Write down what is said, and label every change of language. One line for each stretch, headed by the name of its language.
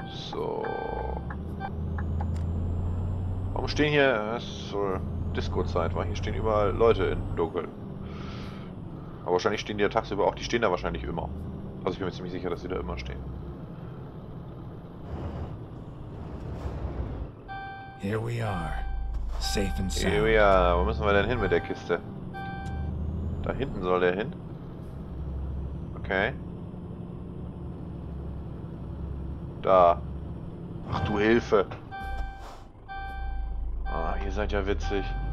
German: So. Warum stehen hier... So, Disco-Zeit, weil hier stehen überall Leute in Dunkel. Aber wahrscheinlich stehen die ja tagsüber auch. Die stehen da wahrscheinlich immer. Also ich bin mir ziemlich sicher, dass sie da immer stehen.
English: Here we are, safe and sound. Here we are.
German: Wo müssen wir denn hin mit der Kiste? Da hinten soll der hin. Okay. Da. Ach du Hilfe. Ah, ihr seid ja witzig.